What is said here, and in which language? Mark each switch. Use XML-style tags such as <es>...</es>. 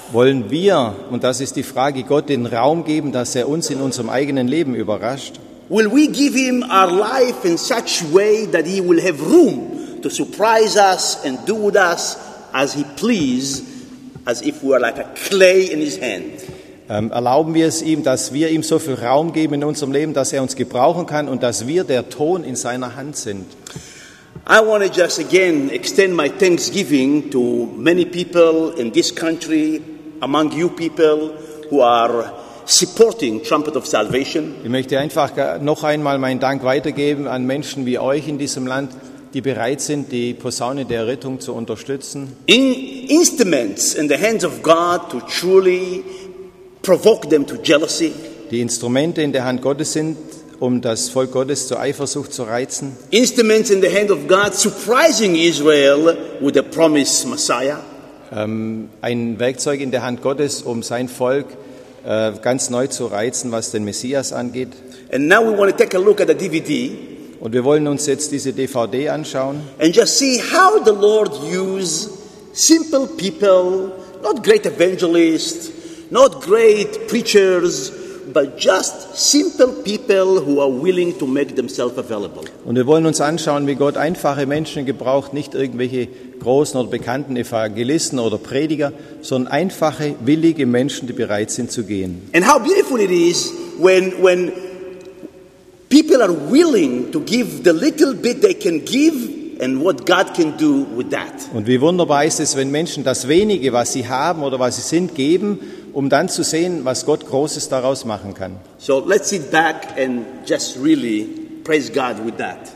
<de>Wollen wir, und das ist die Frage, Gott den Raum geben, dass er uns in unserem eigenen Leben überrascht?</de> <en>Will we give him our life in such way that he will have room to surprise us and do with us as he please, as if we are like a clay in his hand?</en> <de>Erlauben wir es ihm, dass wir ihm so viel Raum geben in unserem Leben, dass er uns gebrauchen kann und dass wir der Ton in seiner Hand sind?</de> <en>I want to just again extend my thanksgiving to many people in this country, among you people who are supporting Trumpet of Salvation.</en> <de>Ich möchte einfach noch einmal meinen Dank weitergeben an Menschen wie euch in diesem Land, die bereit sind, die Posaune der Rettung zu unterstützen.</de> <en>In instruments in the hands of God to truly provoke them to jealousy.</en> <de>Die Instrumente in der Hand Gottes sind, um das Volk Gottes zur Eifersucht zu reizen.</de> <en>Instruments in the hand of God surprising Israel with the promised Messiah.</en> <de>Ein Werkzeug in der Hand Gottes, um sein Volk ganz neu zu reizen, was den Messias angeht.</de> <en>And now we want to take a look at the DVD.</en> <de>Und wir wollen uns jetzt diese DVD anschauen.</de> <en>And just see how the Lord used simple people, not great evangelists, not great preachers, but just simple people who are willing to make themselves available.</en> <de>Und wir wollen uns anschauen, wie Gott einfache Menschen gebraucht, nicht irgendwelche großen oder bekannten Evangelisten oder Prediger, sondern einfache, willige Menschen, die bereit sind zu gehen.</de> <en>And how beautiful it is when people are willing to give the little bit they can give and what God can do with that.</en> <de>Und wie wunderbar ist es, wenn Menschen das wenige, was sie haben oder was sie sind, geben, um dann zu sehen, was Gott Großes daraus machen kann.</de> <en>So let's sit back and just really praise God with that.</en>